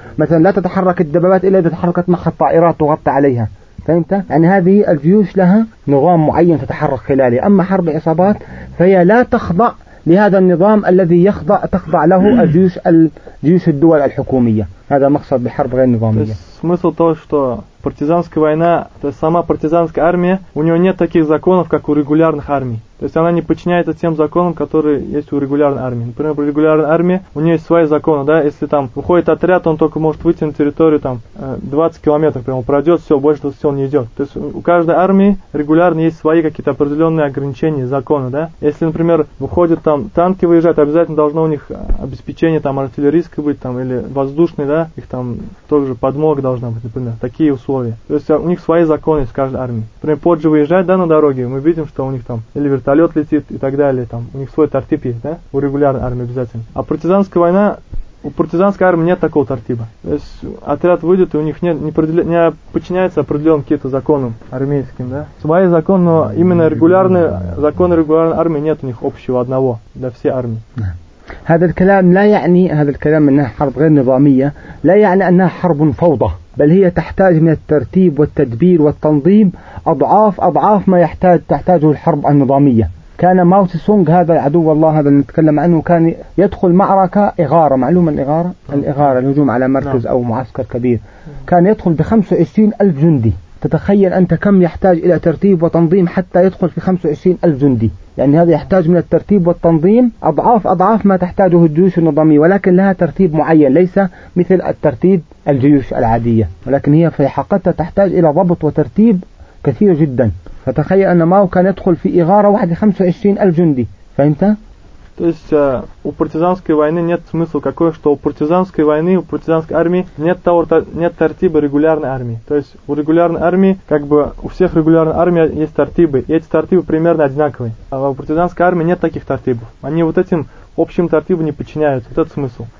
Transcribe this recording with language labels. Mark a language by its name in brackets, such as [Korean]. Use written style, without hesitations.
[Arabic] مثلا لا تتحرك الدبابات إلا إذا تحركت مخ الطائرات تغطي عليها، فهمت؟ يعني هذه الجيوش لها نظام معين تتحرك خلاله. أما حرب عصابات فهي لا تخضع لهذا النظام الذي يخضع تخضع له الجيوش الجيوش الدول الحكومية. هذا مقصد بحرب غير نظامية. [Russian] Смысл того, что партизанская война, то есть сама партизанская армия, у нее нет таких законов, как у регулярных армий. То есть она не подчиняется тем законам, которые есть у регулярной армии. Например, регулярная армия, у нее есть свои законы, да, если там уходит отряд, он только может выйти на территорию там 20 километров, прямо пройдет, все, больше тут все не идет. То есть у каждой армии регулярно есть свои какие-то определенные ограничения, законы, да. Если, например, выходят там танки выезжать, обязательно должно у них обеспечение там артиллерийское быть там или воздушное, да, их там тоже подмога должна быть, например, такие условия. То есть у них свои законы с каждой армией. Например, позже выезжать, да, на дороге, мы видим, что у них там или вертолет летит и так далее, там у них свой тортип есть, да, у регулярной армии обязательно. А партизанская война, у партизанской армии нет такого тортипа. То есть отряд выйдет, и у них нет, не подчиняется определенным каким-то законам армейским, да. Свои законы, но именно регулярные, законы регулярной армии нет у них общего одного для всей армии. [Arabic] هذا الكلام لا يعني هذا الكلام أنها حرب غير نظامية لا يعني أنها حرب فوضى بل هي تحتاج من الترتيب والتدبير والتنظيم أضعاف أضعاف ما تحتاجه الحرب النظامية. كان ماو تسي سونغ هذا عدو الله هذا اللي نتكلم عنه كان يدخل معركة إغارة، معلومة الإغارة؟ الإغارة الهجوم على مركز أو معسكر كبير، كان يدخل ب25,000 جندي. تتخيل أنت كم يحتاج إلى ترتيب وتنظيم حتى يدخل في 25,000 جندي. يعني هذا يحتاج من الترتيب والتنظيم أضعاف أضعاف ما تحتاجه الجيوش النظامية، ولكن لها ترتيب معين ليس مثل الترتيب الجيوش العادية، ولكن هي في حقيقتها تحتاج إلى ضبط وترتيب كثير جدا. فتخيل أن ماو كان يدخل في إغارة واحدة 25,000 جندي، فهمت؟ [Russian] То есть у партизанской войны нет смысла какой, что у партизанской войны, у партизанской армии нет того, нет тортиба регулярной армии. То есть у регулярной армии, как бы у всех регулярных армий есть тортибы, и эти тортибы примерно одинаковые. А у партизанской армии нет таких тортибов. Они вот этим общим тортибам не подчиняются, вот этот смысл.